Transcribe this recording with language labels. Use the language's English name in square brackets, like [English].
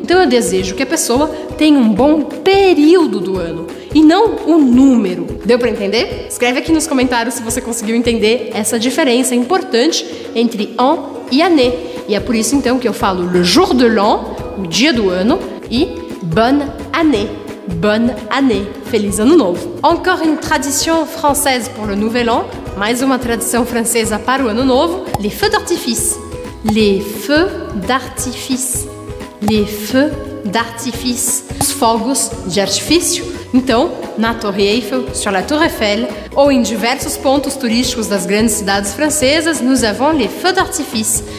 [Portuguese] Então eu desejo que a pessoa tenha um bom período do ano. E não o número. Deu pra entender? Escreve aqui nos comentários se você conseguiu entender essa diferença importante entre an e année. E é por isso então que eu falo le jour de l'an, o dia do ano, e bonne année. [French] Bonne année. [Portuguese] Feliz ano novo. [French] Encore une tradition française pour le nouvel an. [Portuguese] Mais uma tradição francesa para o ano novo. [French] Les feux d'artifice. Les feux d'artifice. Les feux d'artifice. [Portuguese] Os fogos de artifício. Então, na Torre Eiffel, [French] sur la Tour Eiffel, [Portuguese] ou em diversos pontos turísticos das grandes cidades francesas, [French] nous avons les feux d'artifice.